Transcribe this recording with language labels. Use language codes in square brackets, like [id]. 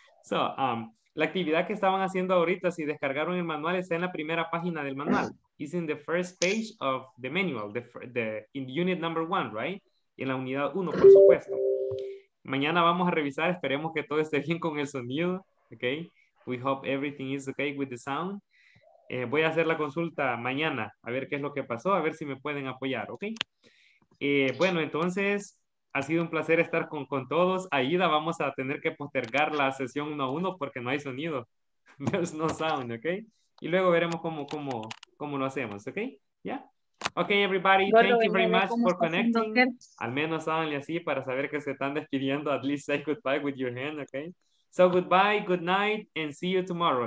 [es] So, la actividad que estaban haciendo ahorita, si descargaron el manual, está en la primera página del manual. [en] It's in the first page of the manual, in unit number one, right? [es] En la unidad uno, por supuesto. Mañana vamos a revisar, esperemos que todo esté bien con el sonido, okay? [en] We hope everything is okay with the sound. [es] Voy a hacer la consulta mañana, a ver qué es lo que pasó, a ver si me pueden apoyar, ¿ok? Bueno, entonces, ha sido un placer estar con todos. Aida, vamos a tener que postergar la sesión 1-1 porque no hay sonido. There's no sound, ¿ok? Y luego veremos cómo lo hacemos, ¿ok? Yeah. [en] Ok, everybody, yo thank you very much for connecting. [es] Al menos háganle así para saber que se están despidiendo. [en] At least say goodbye with your hand, ¿ok? So goodbye, good night, and see you tomorrow.